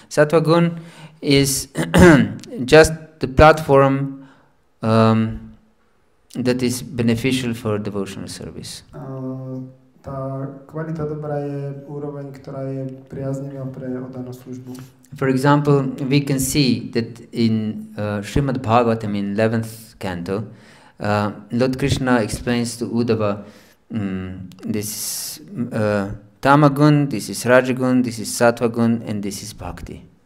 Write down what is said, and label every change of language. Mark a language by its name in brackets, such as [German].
[English] Sattva gun is just the platform that is beneficial for devotional service. [Slovak] Tá kvalita dobrá je úroveň, ktorá je priaznivá pre oddanú službu. [English] For example, we can see that in Srimad Bhagavatam, in 11th canto, Lord Krishna explains to Uddhava this is tamagun, this is rajagun, this is sattvagun, and this is bhakti.